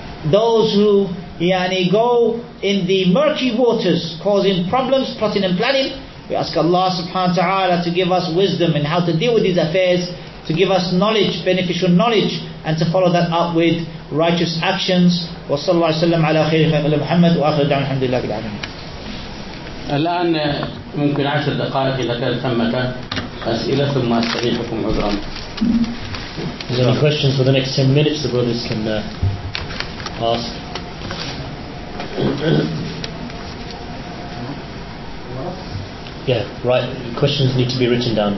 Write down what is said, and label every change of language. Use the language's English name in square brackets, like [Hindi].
[English] Those who, yani, go in the murky waters causing problems, plotting and planning, We ask Allah subhanahu wa ta'ala to give us wisdom in how to deal with these affairs, to give us knowledge, beneficial knowledge, and to follow that up with righteous actions. [Arabic] Wa sallallahu alayhi wa sallam ala khayri khalqi Muhammad wa akhir da'wana alhamdulillahi rabbil alamin. الآن ممكن 10 دقائق إذا كان ثمة أسئلة ثم أستريحكم عذرا. [English] Is there any questions for the next 10 minutes the brothers can ask? Yeah, right. Questions need to be written down.